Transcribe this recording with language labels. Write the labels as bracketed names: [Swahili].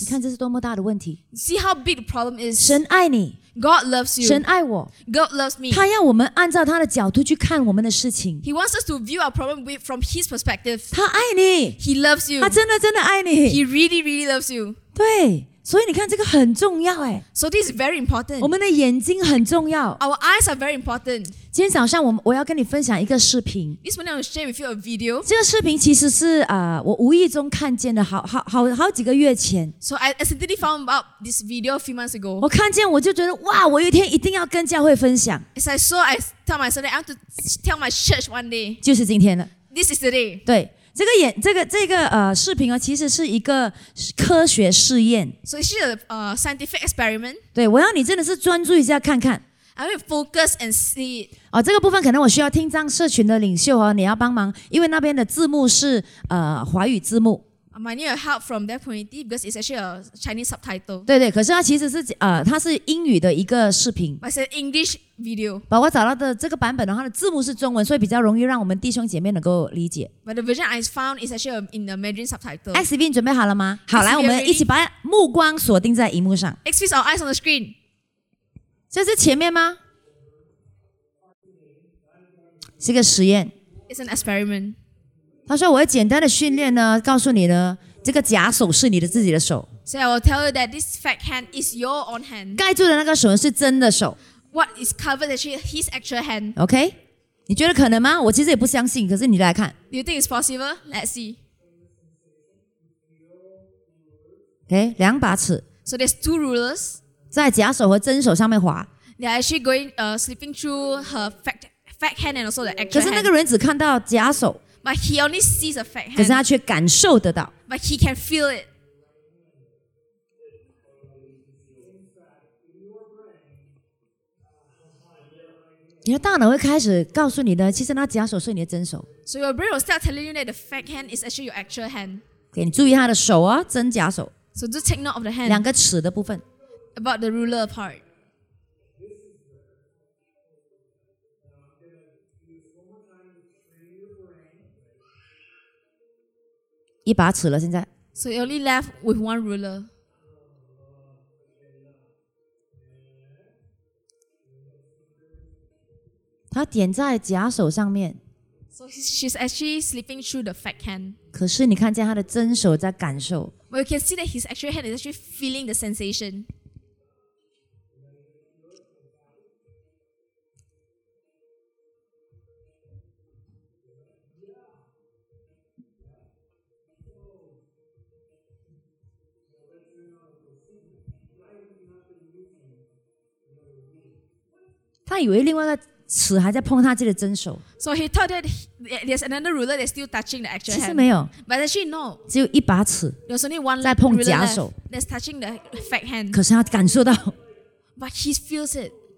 [Chinese] 你看这是多么大的问题。 [English] See how big the problem is. [Chinese] 神爱你。 [English] God loves you. [Chinese] 神爱我。 [English] God loves me. [Chinese] 他要我们按照他的角度去看我们的事情。 [English] He wants us to view our problem from his perspective. [Chinese] 他爱你。 [English] He loves you. [Chinese] 他真的真的爱你。 [English] He really really loves you. [Chinese] 对。所以你看这个很重要诶。 [English] So this is very important. [Chinese] 我们的眼睛很重要。 [English] Our eyes are very important. [Chinese] 今天早上我要跟你分享一个视频。 [English] This morning I will share with you a video. [Chinese] 这个视频其实是 我无意中看见的好几个月前。 [English] So I accidentally found out this video a few months ago. [Chinese] 我看见我就觉得， 哇， 我有一天一定要跟教会分享。 [English] As I saw, I tell myself that I want to tell my church one day. [Chinese] 就是今天了。 [English] This is the day. [Chinese] 对。这个视频其实是一个科学试验。 [English] So it's a scientific experiment. [Chinese] 对，我要你真的是专注一下看看。 [English] I will focus and see it. [Chinese] 哦，这个部分可能我需要听障社群的领袖哦，你要帮忙，因为那边的字幕是华语字幕。 [English] I might need a help from that community because it's actually a Chinese subtitle. [Chinese] 对对，可是它其实是它是英语的一个视频。 [English] It's an English video. [Chinese] 把我找到的这个版本的话，它的字幕是中文，所以比较容易让我们弟兄姐妹能够理解。 [English] But the version I found is actually in the Mandarin subtitle. [Chinese] XV 准备好了吗？好，来，我们一起把目光锁定在荧幕上。 [English] Let's fix our eyes on the screen. [Chinese] 这是前面吗？是一个实验。 [English] It's an experiment. [Chinese] 他说：“我会简单的训练呢，告诉你呢，这个假手是你的自己的手。 [English] ”So I will tell you that this fake hand is your own hand. [Chinese] 盖住的那个手是真的手。 [English] What is covered is his actual hand. [Chinese] OK， 你觉得可能吗？我其实也不相信，可是你来看。 [English] Do you think it's possible? Let's see. [Chinese] OK， 两把尺。 [English] So there's two rulers. [Chinese] 在假手和真手上面滑。 [English] They are actually going, slipping through her fake hand and also the actual hand. [Chinese] 可是那个人只看到假手。 [English] But he only sees a fake hand. [Chinese] 可是他却感受得到。 [English] But he can feel it. [Chinese] 你的大脑会开始告诉你的，其实那假手是你的真手。 [English] So your brain will start telling you that the fake hand is actually your actual hand. [Chinese] Okay, 你注意他的手啊，真假手。 [English] So just take note of the hand. [Chinese] 两个尺的部分。 [English] About the ruler part. [Chinese] One 把尺了，现在。 [English] So you only left with one ruler. [Chinese] He 点在假手上面。 [English] So she's actually slipping through the fake hand. [Chinese] 可是你看见他的真手在感受。 [English] But you can see that his actual hand is actually feeling the sensation. [Chinese] 他以为另外一个尺还在碰他自己的真手。 [English] So he thought that there's another ruler that's still touching the actual hand. [Chinese] 其实没有。 [English] But actually no. [Chinese] 只有一把尺。 [English] There's only one [Chinese] 在碰假手。 [English] That's touching the fake hand. [Chinese] 可是他感受到。 [English] But he feels it.